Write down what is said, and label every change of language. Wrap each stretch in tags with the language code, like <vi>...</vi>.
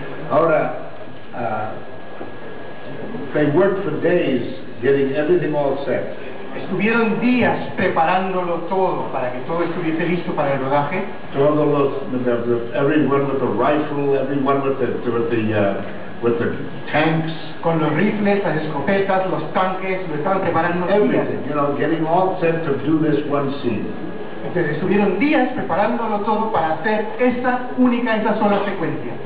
<en>Ahora, they worked for days getting everything all set.</en> <es>Estuvieron días preparándolo todo para que todo estuviese listo para el rodaje. Todos los,</es> <en>everyone with a rifle, everyone with the tanks,</en> <es>con los rifles, las escopetas, los tanques, lo estaban preparando días.</es> <en>Everything, you know, getting all set to do this one scene.</en> <es>Entonces estuvieron días preparándolo todo para hacer esa única, esa sola secuencia.</es>